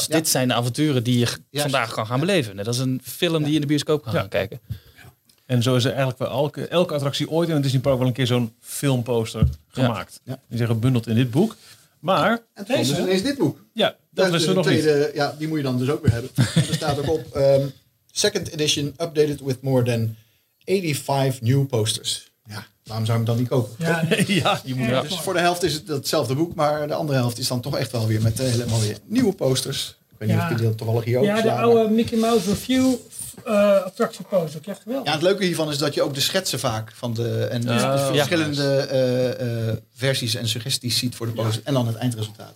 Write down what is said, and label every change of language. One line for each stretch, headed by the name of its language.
Dutch: Dit zijn de avonturen die je vandaag kan gaan beleven. Dat is een film die je in de bioscoop kan gaan kijken. En zo is er eigenlijk bij elke attractie ooit in het Disney Park wel een keer zo'n filmposter gemaakt. Ja. Ja. Die zijn gebundeld in dit boek. Maar en toen is ineens dit boek. Ja, dat is er nog tweede, niet. Ja, die moet je dan dus ook weer hebben. Er staat ook op.
English: Second edition updated with more than 85 new posters.
Dutch: Ja, waarom zou ik hem dan niet kopen? Ja, je moet dus voor de helft is het hetzelfde boek. Maar de andere helft is dan toch echt wel weer met helemaal weer nieuwe posters. Ik weet niet of ik die toevallig hier ook De oude Mickey Mouse Review attractie poster. Ik krijg wel. Ja, het leuke hiervan is dat je ook de schetsen vaak van de verschillende versies en suggesties ziet voor de poster. Ja. En dan het eindresultaat.